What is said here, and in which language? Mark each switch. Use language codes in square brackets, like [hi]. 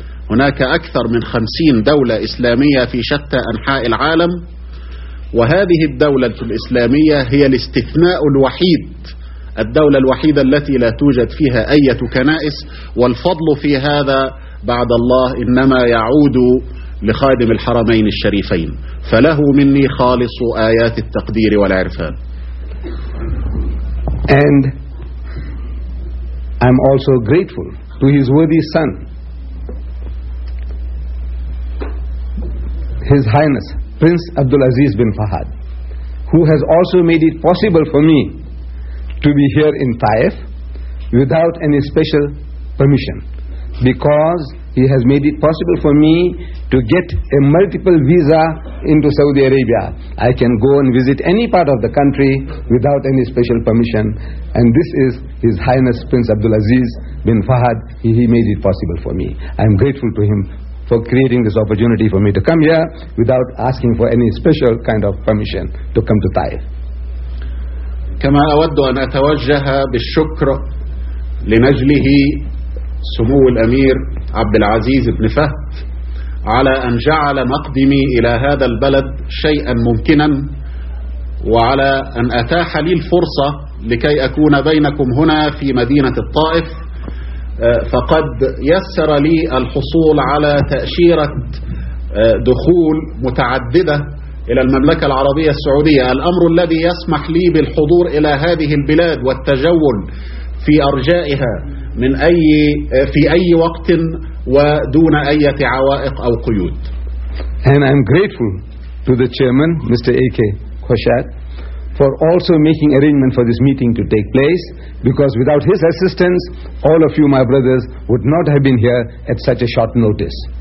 [ar] هناك أكثر من 50 دولة إسلامية في شتى أنحاء العالم, وهذه الدولة الإسلامية هي الاستثناء الوحيد, الدولة الوحيدة التي لا توجد فيها أي كنائس. والفضل في هذا بعد الله إنما يعود لخادم الحرمين الشريفين, فله مني خالص آيات التقدير والعرفان. [en] And I'm also grateful to his worthy son, His Highness Prince Abdulaziz bin Fahad, who has also made it possible for me to be here in Taif without any special permission, because he has made it possible for me to get a multiple visa into Saudi Arabia. I can go and visit any part of the country without any special permission. And this is His Highness Prince Abdulaziz bin Fahad. He made it possible for me. I am grateful to him for creating this opportunity for me to come here without asking for any special kind of permission to come to Taif. [ar] كما أود أن أتوجه بالشكر لنجله سمو الأمير عبد العزيز بن فهد على أن جعل مقدمي إلى هذا البلد شيئا ممكنا, وعلى أن أتاح لي الفرصة لكي أكون بينكم هنا في مدينة الطائف, فقد يسر لي الحصول على تأشيرة دخول متعددة إلى المملكة العربية السعودية, الأمر الذي يسمح لي بالحضور إلى هذه البلاد والتجول في أرجائها من أي في أي وقت ودون أي عوائق أو قيود. [en] And I'm grateful to the chairman, Mr. A.K. Khoshat, for also making arrangement for this meeting to take place, because without his assistance, all of you, my brothers, would not have been here at such a short notice.